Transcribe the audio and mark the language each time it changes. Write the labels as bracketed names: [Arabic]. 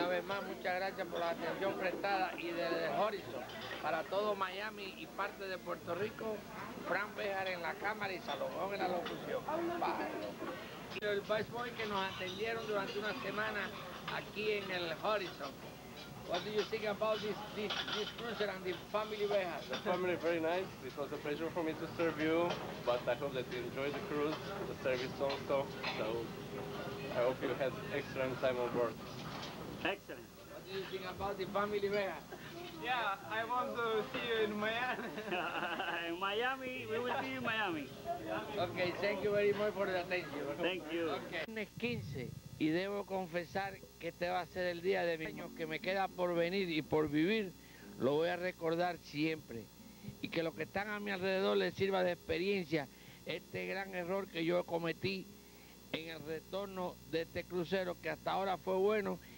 [Spanish] Una vez más, muchas gracias por la atención prestada. Y desde Horizon, para todo Miami y parte de Puerto Rico, Fran Béjar en la cámara y Salomón en la locución. [English] Bye. [Spanish] El Vice Boy que nos atendieron durante una semana aquí en el Horizon. [English] What do you think about this cruiser and the family we have? The family very nice. It was a pleasure for me to serve you, but I hope that you enjoy the cruise, the service also. So I hope you had excellent time on board. Excellent. What do you think about the family we have? Yeah, I want to see you in Miami. In Miami, we will see you in Miami. Okay, thank you very much for the attention. Thank you. Okay. [Spanish] Y debo confesar que este va a ser el día de mi año que me queda por venir y por vivir, lo voy a recordar siempre. Y que los que están a mi alrededor les sirva de experiencia este gran error que yo cometí en el retorno de este crucero, que hasta ahora fue bueno.